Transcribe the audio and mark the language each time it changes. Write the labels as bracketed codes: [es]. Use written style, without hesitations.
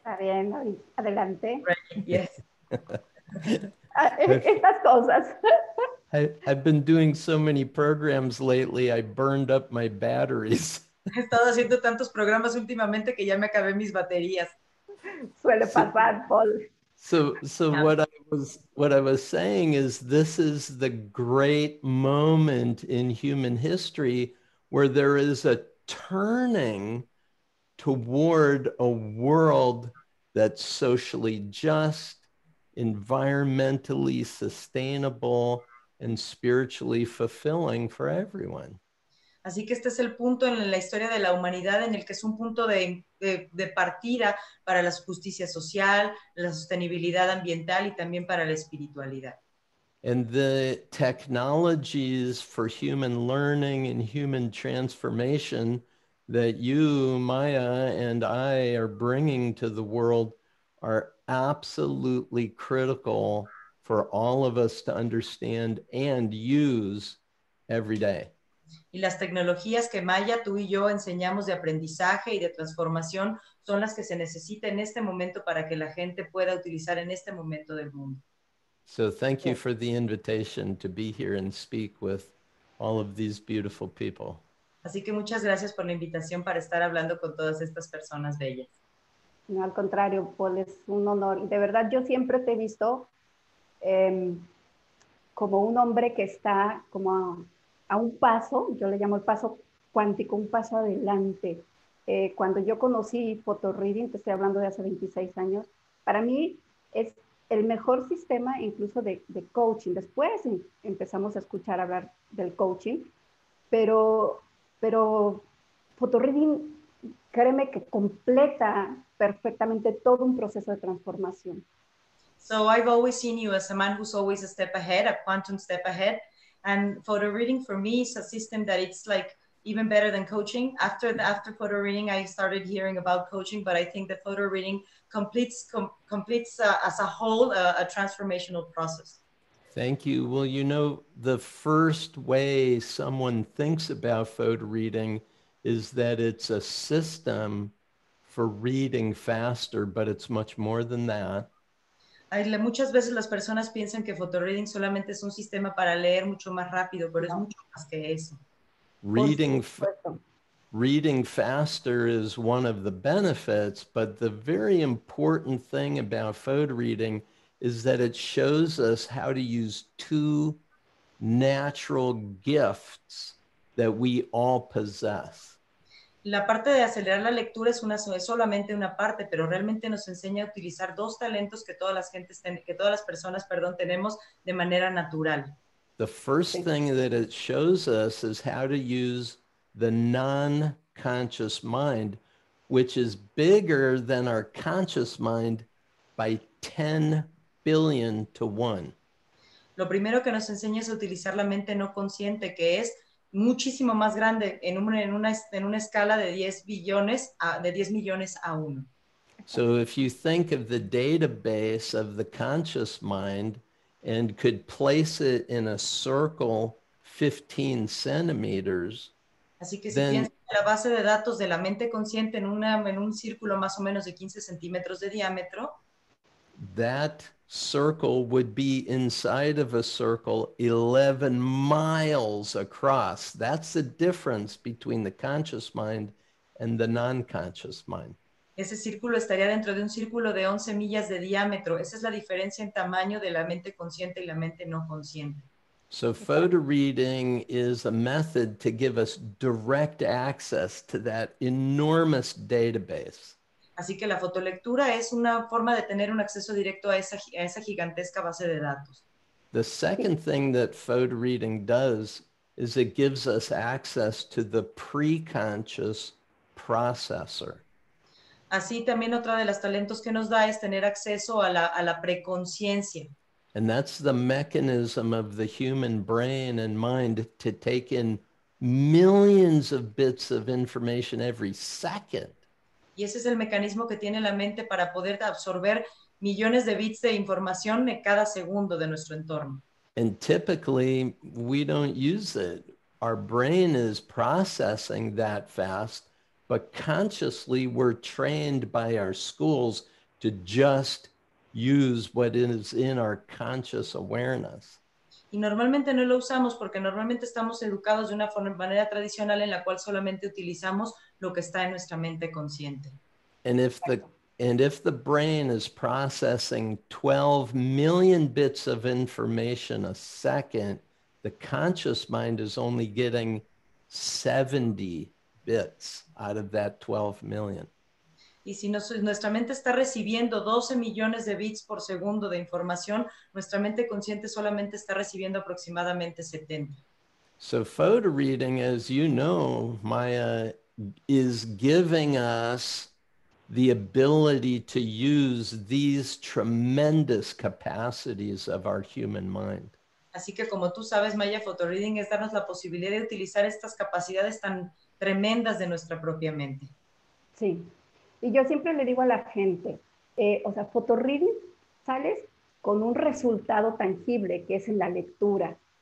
[es] Está bien, adelante. [en] Right. Yes. [es] Estas cosas. [en] I've been doing so many programs lately, I burned up my batteries. [es] He estado haciendo tantos programas últimamente que ya me acabé mis baterías. Suele pasar, Paul. [en] So what I was saying is this is the great moment in human history where there is a turning toward a world that's socially just, environmentally sustainable and spiritually fulfilling for everyone. [es] Así que este es el punto en la historia de la humanidad en el que es un punto de partida para la justicia social, la sostenibilidad ambiental y también para la espiritualidad. [en] And the technologies for human learning and human transformation that you, Maya, and I are bringing to the world are absolutely critical for all of us to understand and use every day. [es] Y las tecnologías que Maya, tú y yo enseñamos de aprendizaje y de transformación son las que se necesitan en este momento para que la gente pueda utilizar en este momento del mundo. [en] So thank you for the invitation to be here and speak with all of these beautiful people. [es] Así que muchas gracias por la invitación para estar hablando con todas estas personas bellas. No, al contrario, Paul, es un honor. De verdad, yo siempre te he visto como un hombre que está como a un paso, yo le llamo el paso cuántico, un paso adelante. Cuando yo conocí photo reading, te estoy hablando de hace 26 años, para mí es el mejor sistema incluso de coaching. Después empezamos a escuchar hablar del coaching, pero photo reading, créeme que completa perfectamente todo un proceso de transformación. [en] So I've always seen you as a man who's always a step ahead, a quantum step ahead. And photo reading for me is a system that it's like even better than coaching. After photo reading, I started hearing about coaching, but I think the photo reading completes as a whole a transformational process. Thank you. Well, you know, the first way someone thinks about photo reading is that it's a system for reading faster, but it's much more than that. [es] Muchas veces las personas piensan que photo reading solamente es un sistema para leer mucho más rápido, pero es mucho más que eso. [en] Reading faster is one of the benefits, but the very important thing about photo reading is that it shows us how to use two natural gifts that we all possess. [es] La parte de acelerar la lectura es solamente una parte, pero realmente nos enseña a utilizar dos talentos que todas las personas tenemos de manera natural. [en] The first thing that it shows us is how to use the non-conscious mind, which is bigger than our conscious mind by 10 billion to 1. [es] Lo primero que nos enseña es utilizar la mente no consciente, que es muchísimo más grande en una escala de 10 millones a 1. [en] So if you think of the database of the conscious mind and could place it in a circle 15 centimeters, [es] así que si piensas en la base de datos de la mente consciente en un círculo más o menos de 15 centímetros de diámetro, [en] that circle would be inside of a circle 11 miles across. That's the difference between the conscious mind and the non-conscious mind. [es] Ese círculo estaría dentro de un círculo de 11 millas de diámetro. Esa es la diferencia en tamaño de la mente consciente y la mente no consciente. [en] So photo reading is a method to give us direct access to that enormous database. [es] Así que la fotolectura es una forma de tener un acceso directo a esa gigantesca base de datos. [en] The second thing that photo reading does is it gives us access to the preconscious processor. [es] Así también otra de las talentos que nos da es tener acceso a la preconciencia. [en] And that's the mechanism of the human brain and mind to take in millions of bits of information every second. [es] Y ese es el mecanismo que tiene la mente para poder absorber millones de bits de información en cada segundo de nuestro entorno. [en] And typically, we don't use it. Our brain is processing that fast, but consciously, we're trained by our schools to just use what is in our conscious awareness. [es] Y normalmente no lo usamos porque normalmente estamos educados de una manera tradicional en la cual solamente utilizamos lo que está en nuestra mente consciente. [en] And if the brain is processing 12 million bits of information a second, the conscious mind is only getting 70 bits out of that 12 million. [es] Y si nuestra mente está recibiendo 12 millones de bits por segundo de información, nuestra mente consciente solamente está recibiendo aproximadamente 70. [en] So photo reading, as you know, Maya, is giving us the ability to use these tremendous capacities of our human mind. [es] Así que como tú sabes, Maya, photo reading es darnos la posibilidad de utilizar estas capacidades tan tremendas de nuestra propia mente. Sí. Y yo siempre le digo a la gente, photo reading sales con un resultado tangible que es en la lectura.